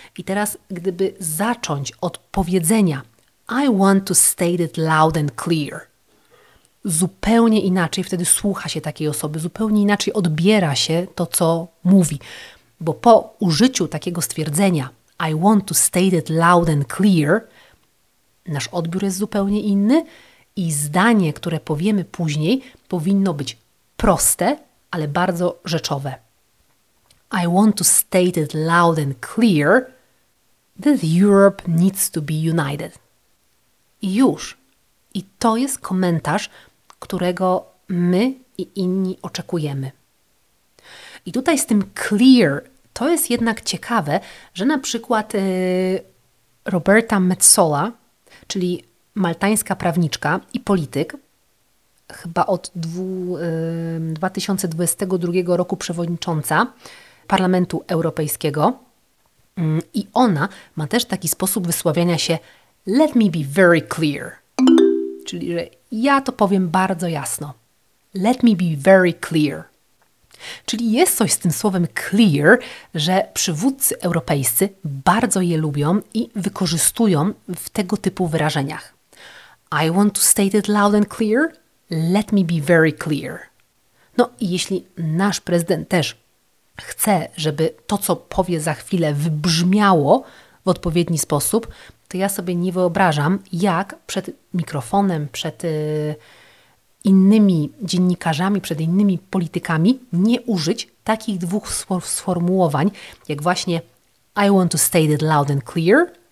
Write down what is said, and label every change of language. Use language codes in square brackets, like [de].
[pl] I teraz gdyby zacząć od powiedzenia [en] I want to state it loud and clear, [pl] zupełnie inaczej wtedy słucha się takiej osoby, zupełnie inaczej odbiera się to, co mówi. Bo po użyciu takiego stwierdzenia [en] I want to state it loud and clear, [pl] nasz odbiór jest zupełnie inny i zdanie, które powiemy później, powinno być proste, ale bardzo rzeczowe. [en] I want to state it loud and clear that Europe needs to be united. [pl] I już. I to jest komentarz, którego my i inni oczekujemy. I tutaj z tym clear, to jest jednak ciekawe, że na przykład Roberta Metsola, czyli maltańska prawniczka i polityk, chyba od 2022 roku przewodnicząca Parlamentu Europejskiego. I ona ma też taki sposób wysławiania się [en] let me be very clear. [pl] Czyli, że ja to powiem bardzo jasno. [en] Let me be very clear. [pl] Czyli jest coś z tym słowem clear, że przywódcy europejscy bardzo je lubią i wykorzystują w tego typu wyrażeniach. [en] I want to state it loud and clear. Let me be very clear. [pl] No i jeśli nasz prezydent też chce, żeby to, co powie za chwilę, wybrzmiało w odpowiedni sposób, to ja sobie nie wyobrażam, jak przed mikrofonem, przed innymi dziennikarzami, przed innymi politykami nie użyć takich dwóch sformułowań, jak właśnie [en] I want to state it loud and clear.